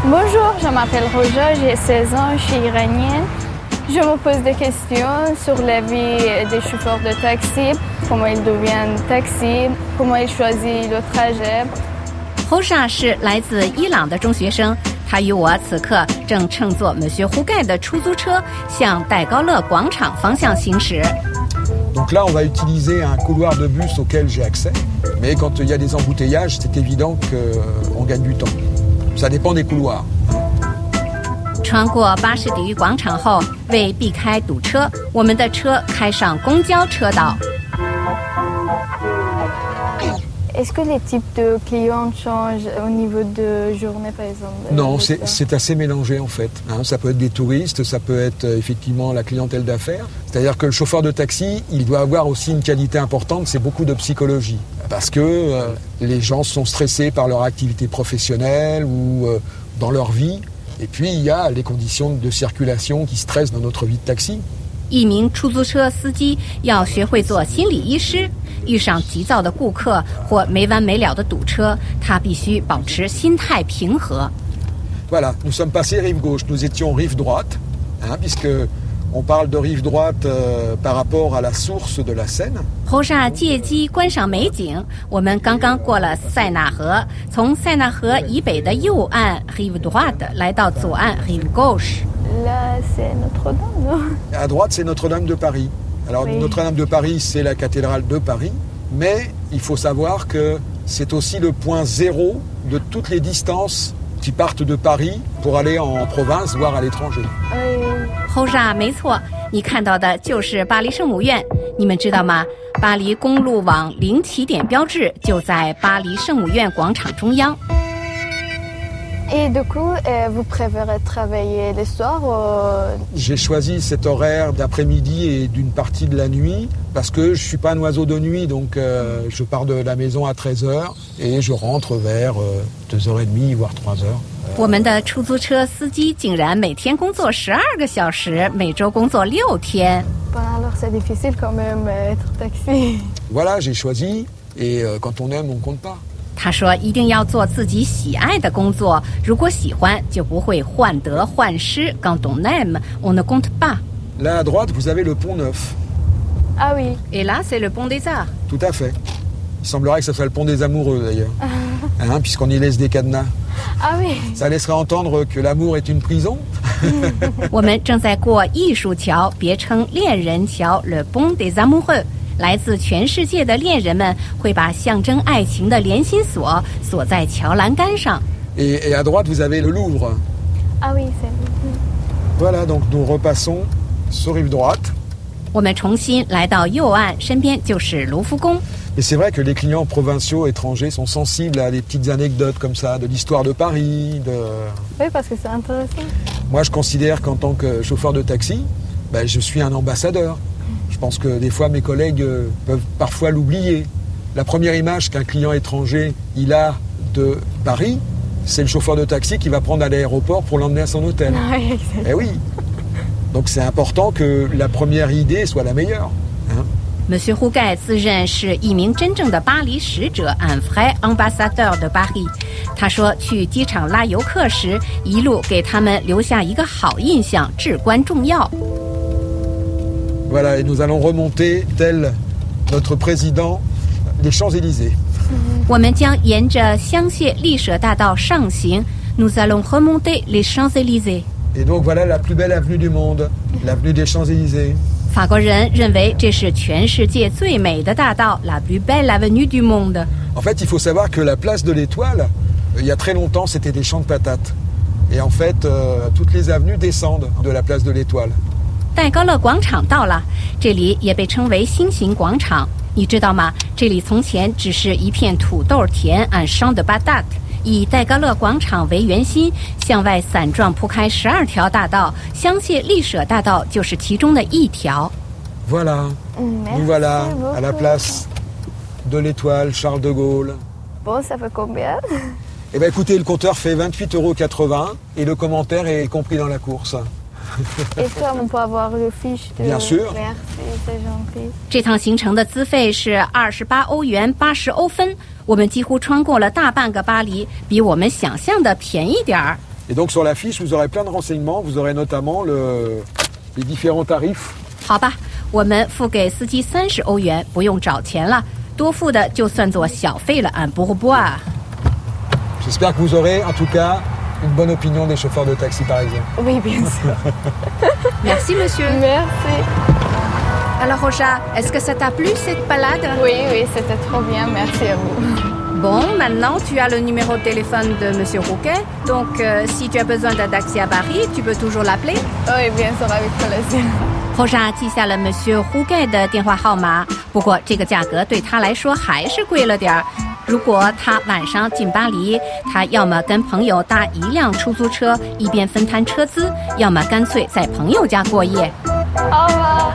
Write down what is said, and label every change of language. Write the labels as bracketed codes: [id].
[fr] Bonjour, je m'appelle Roja, j'ai 16 ans, je suis iranienne. Je me pose des questions sur la vie des chauffeurs de taxi, comment ils deviennent taxi, comment ils choisissent le trajet. [zh] Roja 是来自伊朗的中学生，他与我此刻正乘坐 Monsieur Hugay 的出租车向戴高乐广场方向行驶。 [fr] Donc là, on va utiliser un couloir de bus auquel j'ai accès. Mais quand il y a des embouteillages, c'est évident qu'on gagne du temps. Ça dépend des couloirs. [zh] 穿过巴士底广场后，为避开堵车，我们的车开上公交车道。 [fr] Est-ce que les types de clients changent au niveau de journée, par exemple ? Non, c'est assez mélangé, en fait. Hein, ça peut être des touristes, ça peut être effectivement la clientèle d'affaires. C'est-à-dire que le chauffeur de taxi, il doit avoir aussi une qualité importante, c'est beaucoup de psychologie. Parce que les gens sont stressés par leur activité professionnelle ou dans leur vie. Et puis, il y a les conditions de circulation qui stressent dans notre vie de taxi. [zh] 一名出租车司机要学会做心理医师，遇上急躁的顾客或没完没了的堵车，他必须保持心态平和。 [fr] Voilà, nous sommes passés rive gauche, nous étions rive droite, hein, puisque on parle de rive droite par rapport à la source de la Seine. [zh] Roja 借机观赏美景，我们刚刚过了塞纳河，从塞纳河以北的右岸 [fr] rive droite [zh] 来到左岸 [fr] rive gauche。 Là, c'est Notre-Dame, non ? À droite, c'est Notre-Dame de Paris. Alors, oui. Notre-Dame de Paris, c'est la cathédrale de Paris. Mais il faut savoir que c'est aussi le point zéro de toutes les distances qui partent de Paris pour aller en province, voire à l'étranger. [zh] Roja, 没错，你看到的就是巴黎圣母院。你们知道吗？巴黎公路网零起点标志就在巴黎圣母院广场中央。 [fr] Et du coup, vous préférez travailler le soir ou... J'ai choisi cet horaire d'après-midi et d'une partie de la nuit parce que je ne suis pas un oiseau de nuit, donc je pars de la maison à 13h et je rentre vers 2h30, voire 3h. [zh] 我们的出租车司机竟然每天工作12个小时，每周工作6天。 [fr] Bon, alors c'est difficile quand même être taxi. Voilà, j'ai choisi et quand on aime, on compte pas. [zh] 他说一定要做自己喜爱的工作，如果喜欢就不会患得患失。 [fr] Quand on aime, on ne compte pas. Là à droite, vous avez le pont neuf. Ah oui. Et là, c'est le pont des arts. Tout à fait. Il semblerait que ce soit le pont des amoureux d'ailleurs. Hein, puisqu'on y laisse des cadenas. Ah oui. Ça laisserait entendre que l'amour est une prison. [zh] 我们正在过艺术桥，别称恋人桥， [fr] le pont des amoureux. [zh] 来自全世界的恋人们会把象征爱情的连心锁锁在桥栏杆上。 [fr] Et à droite, vous avez le Louvre. Ah oui, c'est le Louvre. Voilà, donc nous repassons sur rive droite. [zh] 我们重新来到右岸，身边就是卢浮宫。 [fr] Et c'est vrai que les clients provinciaux étrangers sont sensibles à des petites anecdotes comme ça, de l'histoire de Paris, de... Oui, parce que c'est intéressant. Moi, je considère qu'en tant que chauffeur de taxi, ben, je suis un ambassadeur. Je pense que des fois, mes collègues peuvent parfois l'oublier. La première image qu'un client étranger il a de Paris, c'est le chauffeur de taxi qui va prendre à l'aéroport pour l'emmener à son hôtel. Oui, eh oui. Donc c'est important que la première idée soit la meilleure. Hein? [zh] Monsieur Hugay 自认是一名真正的巴黎使者 ， [fr] un vrai ambassadeur de Paris. [zh] 他说去机场拉游客时，一路给他们留下一个好印象至关重要。 [fr] Voilà, et nous allons remonter tel notre président des Champs-Élysées. [zh] 我们将沿着香榭丽舍大道上行。 [fr] Nous allons remonter les Champs-Élysées. Et donc voilà la plus belle avenue du monde, l'avenue des Champs-Élysées. [zh] 法国人认为这是全世界最美的大道 ， [fr] la plus belle avenue du monde. En fait, il faut savoir que la place de l'Étoile, il y a très longtemps, c'était des champs de patates. Et en fait, toutes les avenues descendent de la place de l'Étoile. [zh] 戴高乐广场到了，这里也被称为星形广场。你知道吗？这里从前只是一片土豆田 ， [fr] un champ de patates。 [zh] 以戴高乐广场为圆心，向外散状铺开12条大道，香榭丽舍大道就是其中的一条。 [fr] Voilà, nous voilà à la place de l'Étoile, Charles de Gaulle. Bon, ça fait combien ? Eh ben, écoutez, le compteur fait 28,80 € et le commentaire est compris dans la course. Est-ce qu'on peut avoir le fiche de... Bien sûr. Merci, c'est gentil. [zh] 这趟行程的资费是28欧元80欧分。我们几乎穿过了大半个巴黎，比我们想象的便宜点儿。 [fr] Et donc sur la fiche, vous aurez plein de renseignements. Vous aurez notamment les différents tarifs. [zh] 好吧，我们付给司机30欧元，不用找钱了。多付的就算作小费了，俺不会不啊。 [fr] J'espère que vous aurez, en tout cas, une bonne opinion des chauffeurs de taxi parisiens. Oui, bien sûr. Merci, monsieur. Merci. Alors, Rocha, est-ce que ça t'a plu, cette balade? Oui, c'était trop bien. Merci à vous. Bon, maintenant, tu as le numéro de téléphone de monsieur Rouquet. Donc, si tu as besoin d'un taxi à Paris, tu peux toujours l'appeler. Oui, bien sûr, avec plaisir. [zh] Rocha a 记下了 monsieur Rouquet 的电话号码。不过，这个价格对他来说还是贵了点儿。如果他晚上进巴黎，他要么跟朋友搭一辆出租车，一边分摊车资，要么干脆在朋友家过夜。好吧，